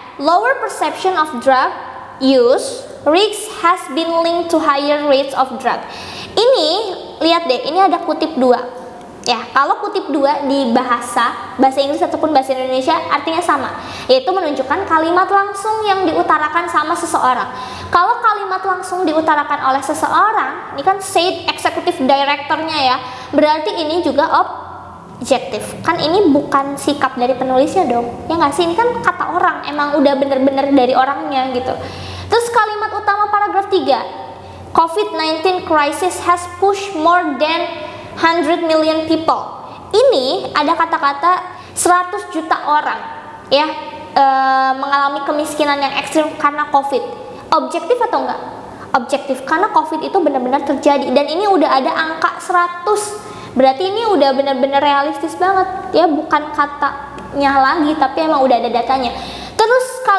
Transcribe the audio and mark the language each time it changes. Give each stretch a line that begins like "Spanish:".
English: Lower perception of drug use risk has been linked to higher rates of drug.
Indonesian: Ini lihat deh, ini ada kutip dua ya. Kalau kutip 2 di bahasa Inggris ataupun bahasa Indonesia artinya sama, yaitu menunjukkan kalimat langsung yang diutarakan sama seseorang. Kalau kalimat langsung diutarakan oleh seseorang, ini kan said executive directornya ya, berarti ini juga objektif kan. Ini bukan sikap dari penulisnya dong, ya nggak sih? Ini kan kata orang, emang udah bener-bener dari orangnya gitu. Terus kalimat utama paragraf 3,
English: COVID-19 crisis has pushed more than 100 million people.
Indonesian: Ini ada kata-kata 100 juta orang ya mengalami kemiskinan yang ekstrim karena COVID. Objektif atau enggak? Objektif, karena COVID itu benar-benar terjadi dan ini udah ada angka 100. Berarti ini udah benar-benar realistis banget ya, bukan katanya lagi tapi emang udah ada datanya. Terus kalau